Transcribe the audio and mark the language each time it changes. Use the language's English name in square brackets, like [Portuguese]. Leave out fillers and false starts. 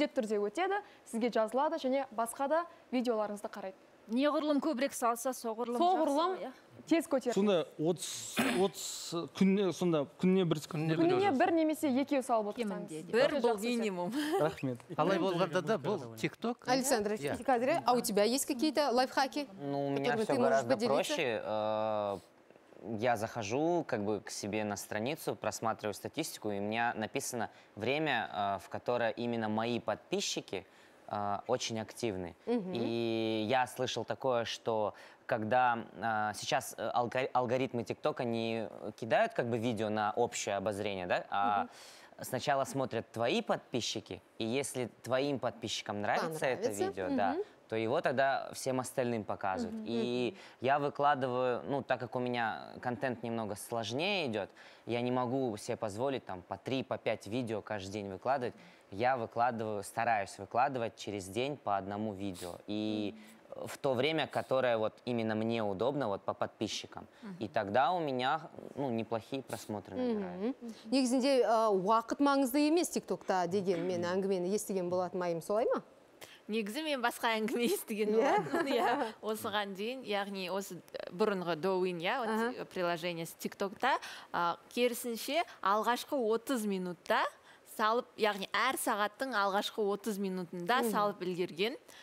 [Kazakh] Міндет түрде өтеді, сізге жазылады және басқа да видеоларыңызды қарайды. Не ғұрлым көбірек салса, соғұрлым тез көтер. Сонда 30 күнне, сонда күнне бір күнне бір немесе екеу салып отырсаңыз. Бір бұл минимум. Рахмет. Қалай болғанда да бұл тикток. [Russian] Александр, қазір, а у тебя есть какие-то лайфхаки? Ну, у меня все гораздо проще. Я захожу как бы к себе на страницу, просматриваю статистику, и у меня написано время, в которое именно мои подписчики очень активны. Mm-hmm. И я слышал такое, что когда сейчас алгоритмы ТикТока не кидают как бы видео на общее обозрение, да, а сначала смотрят твои подписчики, и если твоим подписчикам нравится это видео, да, то его тогда всем остальным показывают. И я выкладываю, ну, так как у меня контент немного сложнее идет, я не могу себе позволить там по 3, по 5 видео каждый день выкладывать. Я выкладываю, стараюсь выкладывать через день по одному видео. И в то время, которое вот именно мне удобно, вот по подписчикам. И тогда у меня, ну, неплохие просмотры набирают. [Kazakh] Негізінде, уақыт маңызды емес тиктокта деген мен әңгімені естіген болатын майым, солай ма? Негізі мен басқа әңгіме естіген болатын, осыған дейін, яғни осы бұрынғы Douyin приложениесі тиктокта, керісінше алғашқы 30 минутта салып, яғни әр сағаттың алғашқы 30 минутында салып үлгерген,